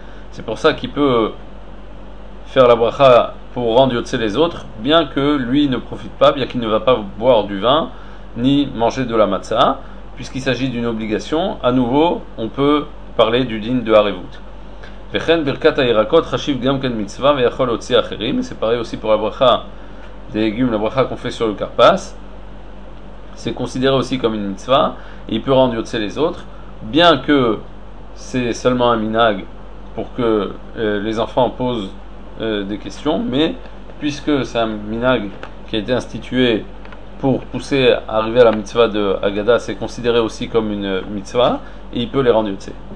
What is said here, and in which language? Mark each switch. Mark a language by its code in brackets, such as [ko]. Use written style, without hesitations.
[fr] C'est pour ça qu'il peut faire la bracha pour rendre Yotze les autres, bien que lui ne profite pas, bien qu'il ne va pas boire du vin ni manger de la Matzah, puisqu'il s'agit d'une obligation. À nouveau, on peut parler du din de Arevut. [he] וכן ברכת הירקות חשיב גם כן מצווה ויכול להוציא אחרים. [fr] C'est pareil aussi pour la bracha des légumes, la bracha qu'on fait sur le karpas. C'est considéré aussi comme une mitzvah. Et il peut rendre yotze les autres. Bien que c'est seulement un minag pour que les enfants posent des questions. Mais puisque c'est un minag qui a été institué pour pousser à arriver à la mitzvah de Agada, c'est considéré aussi comme une mitzvah. Et il peut les rendre yotze.